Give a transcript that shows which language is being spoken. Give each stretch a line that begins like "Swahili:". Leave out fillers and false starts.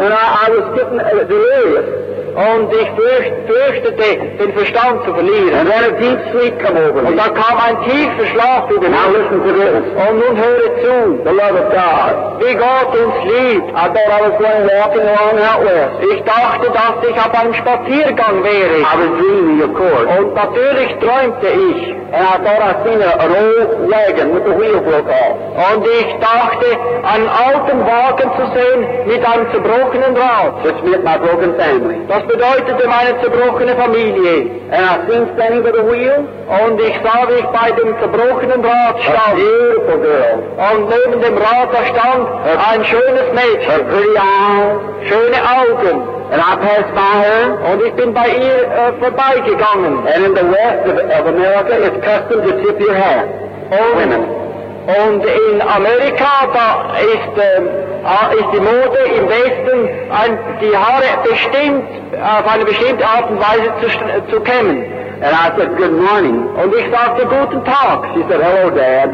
English: And I was getting delirious.
German: Und ich fürchtete, den Verstand zu verlieren.
English: And then a deep sleep came over me.
German: Und da kam ein tiefer Schlaf über mich.
English: Now listen to this.
German: Und nun höre zu.
English: The love of God.
German: Wie Gott uns liebt.
English: I thought I was going walking along out west.
German: Ich dachte, dass ich auf einem Spaziergang wäre.
English: I was dreaming, of course.
German: Und natürlich träumte ich.
English: And I thought I'd seen an old wagon with the wheel broke off.
German: Und ich dachte, einen alten Wagen zu sehen mit einem zerbrochenen Rad.
English: Which meant my broken family.
German: Das bedeutete meine zerbrochene Familie.
English: And I seen standing by the wheel.
German: Und ich sah, wie ich bei dem zerbrochenen Rad stand.
English: A beautiful girl.
German: Und neben dem Rad da stand ein schönes Mädchen.
English: Her pretty eyes.
German: Schöne Augen.
English: And I passed by her.
German: Und ich bin bei ihr vorbeigegangen.
English: And in the west of America, it's custom to tip your hat. Oh, women.
German: Und in Amerika, da ist, ist die Mode im Westen, die Haare bestimmt, auf eine bestimmte Art und Weise zu kämmen.
English: And I said, good morning.
German: Und ich sagte, guten Tag.
English: She said, hello, Dad.